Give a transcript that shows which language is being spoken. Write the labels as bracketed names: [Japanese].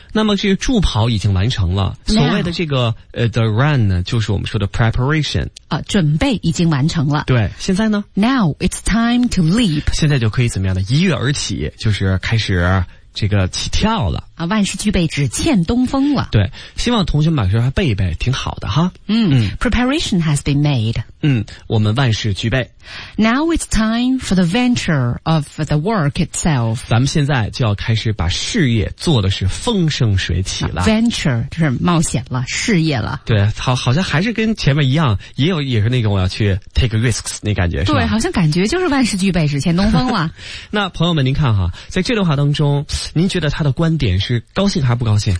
[Chinese] 那么这个助跑已经完成了，所谓的这个 The run 呢就是我们说的 preparation、准备已经完成了。对，现在呢 [English] Now it's time to leap。 [Chinese] 现在就可以怎么样的一跃而起，就是开始这个起跳了啊，万事俱备只欠东风了。对，希望同学们把这还背一背，挺好的哈。 [English] 嗯， Preparation has been made。 [Chinese] 嗯，我们万事俱备。 [English] Now it's time for the venture of the work itself。 [Chinese] 咱们现在就要开始把事业做的是风生水起了。 Venture 就是冒险了，事业了。对， 好像还是跟前面一样，也是那种我要去 take risks 那感觉。对，好像感觉就是万事俱备只欠东风了。那朋友们您看哈，在这段话当中您觉得他的观点是高兴还是不高兴？